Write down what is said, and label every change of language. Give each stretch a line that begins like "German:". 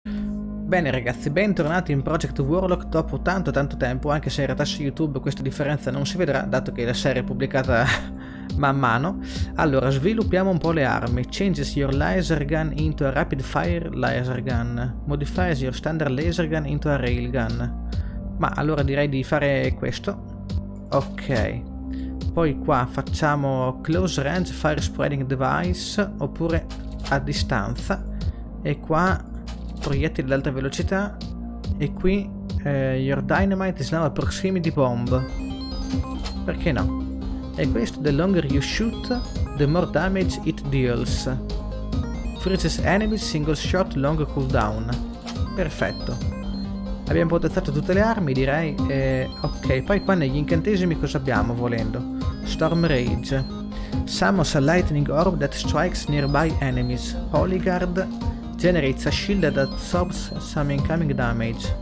Italian: Bene ragazzi, bentornati in Project Warlock dopo tanto tanto tempo, anche se in realtà su YouTube questa differenza non si vedrà, dato che la serie è pubblicata man mano. Allora, sviluppiamo un po' le armi.
English: Changes your laser gun into a rapid fire laser gun. Modifies your standard laser gun into a rail gun.
Italian: Ma allora direi di fare questo. Ok. Poi qua facciamo
English: close range fire spreading device,
Italian: oppure a distanza. E qua proiettili ad alta velocità. E qui
English: your dynamite is now a proximity bomb.
Italian: Perché no? E questo,
English: the longer you shoot, the more damage it deals. Freezes enemies, single shot, long cooldown.
Italian: Perfetto. Abbiamo potenziato tutte le armi, direi. Ok, poi qua negli incantesimi cosa abbiamo, volendo?
English: Storm Rage. Summons a lightning orb that strikes nearby enemies. Polyguard generates a shield that absorbs some incoming damage.